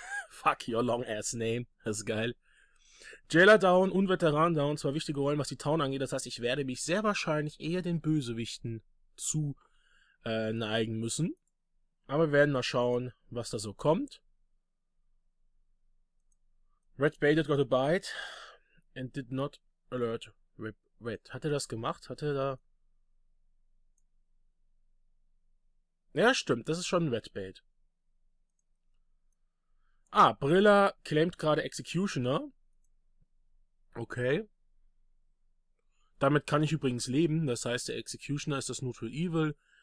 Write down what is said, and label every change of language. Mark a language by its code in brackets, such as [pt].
[en] Fuck your long ass name. [de] Das ist geil. Jailer down und Veteran down, zwei wichtige Rollen, was die Town angeht. Das heißt, ich werde mich sehr wahrscheinlich eher den Bösewichten zu neigen müssen. Aber wir werden mal schauen, was da so kommt. [en] Red Baited got a bite and did not alert Rip Red. [de] Hat er das gemacht? Hat er da... Ja, stimmt, das ist schon ein Red Bait. Ah, Brilla claimt gerade Executioner. Okay. Damit kann ich übrigens leben. Das heißt, der Executioner ist das Neutral Evil.